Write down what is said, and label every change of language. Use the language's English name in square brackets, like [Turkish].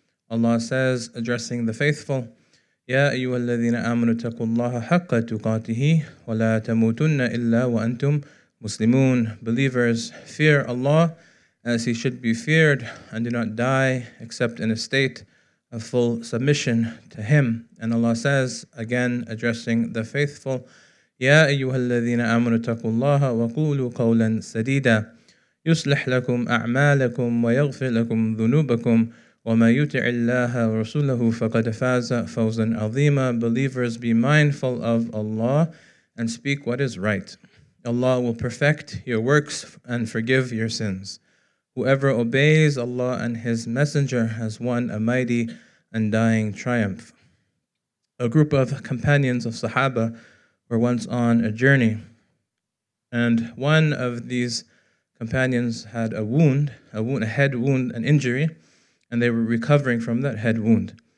[English] Allah says, addressing the faithful, [Arabic] يا أيها الذين آمنوا اتقوا الله حق تقاته ولا تموتن إلا وأنتم مسلمون. [English] Believers, fear Allah as He should be feared, and do not die except in a state of full submission to Him. And Allah says, again addressing the faithful, [Arabic] يا أيها الذين آمنوا اتقوا الله وقولوا قولا سديدا يصلح لكم أعمالكم ويغفر لكم ذنوبكم وَمَا يُتِعِ اللَّهَ وَرَسُولَهُ فَقَدْ فَازَ فَوْزًا عَظِيمًا. [English] Believers, be mindful of Allah and speak what is right. Allah will perfect your works and forgive your sins. Whoever obeys Allah and His Messenger has won a mighty and dying triumph. A group of companions of Sahaba were once on a journey, and one of these companions had a head wound, an injury, and they were recovering from that head wound.